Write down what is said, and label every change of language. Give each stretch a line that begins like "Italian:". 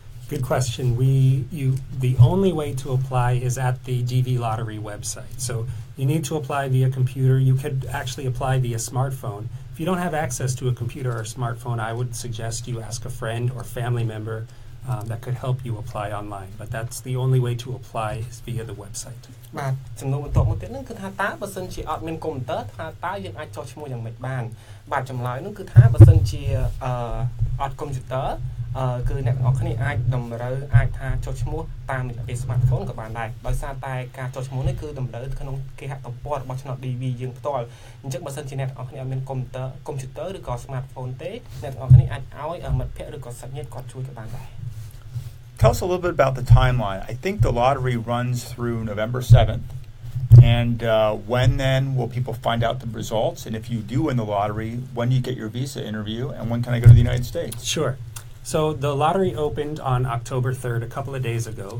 English: Good question. The only way to apply is at the DV Lottery website. So You need to apply via computer. You could actually apply via smartphone. If you don't have access to a computer or a smartphone, I would suggest you ask a friend or family member that could help you apply online. But that's the only way to apply is via the website.
Khmer: បាទចំណុចបន្ទាប់មកទៀតហ្នឹងគឺថាតើបើសិនជាអត់មានកុំព្យូទ័រថាតើយើងអាចចុះឈ្មោះយ៉ាងម៉េចបានបាទចម្លើយហ្នឹងគឺថាបើសិនជាអត់កុំព្យូទ័រគឺអ្នកទាំងអស់គ្នាអាចតម្រូវអាចថាចុះឈ្មោះតាមលេខស្មាតហ្វូនក៏បានដែរដោយសារតែការចុះឈ្មោះនេះគឺតម្រូវក្នុងគេហទំព័ររបស់ឆ្នាំ DV យើងផ្ទាល់អញ្ចឹងបើសិនជាអ្នកទាំងអស់គ្នាអត់មានកុំព្យូទ័រឬក៏ស្មាតហ្វូនទេអ្នកទាំងអស់គ្នាអាចឲ្យមិត្តភ័ក្តិឬក៏សាច់ញាតិគាត់ជួយក៏បានដែរ
English: Tell us a little bit about the timeline. I think the lottery runs through November 7th. And when then will people find out the results? And if you do win the lottery, when do you get your visa interview? And when can I go to the United States? Sure. So the lottery opened on October 3rd, a couple of days ago.